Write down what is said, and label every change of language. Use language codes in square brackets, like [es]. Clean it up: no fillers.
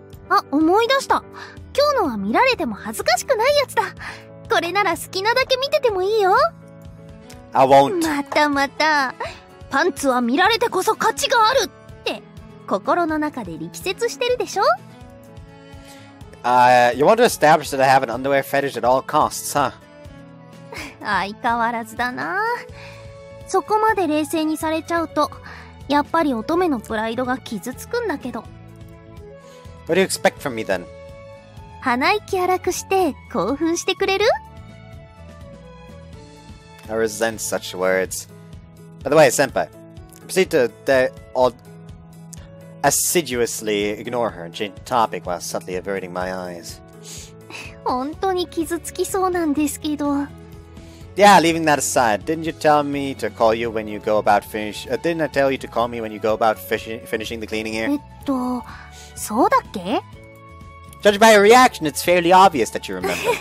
[ja] あ、思い出した! 今日のは見られても恥ずかしくないやつだ!これなら好きなだけ見ててもいいよ! [en] I won't! [ja] またまた! パンツは見られてこそ価値があるって!心の中で力説してるでしょ? [en] You want to establish that I have an underwear fetish at all costs, huh? [ja] 相変わらずだな… そこまで冷静にされちゃうと… やっぱり乙女のプライドが傷つくんだけど… [en] What do you expect from me, then? [ja] 鼻息荒くして興奮してくれる? [en] I resent such words. By the way, Senpai, proceed to assiduously ignore her and change the topic while subtly averting my eyes. [ja] 本当に傷つきそうなんですけど… [en] Yeah, leaving that aside, didn't you tell me to call you when you go about finish… didn't I tell you to call me when you go about finishing the cleaning here? [ja] そうだっけ? [en] Judging by your reaction, it's fairly obvious that you remember.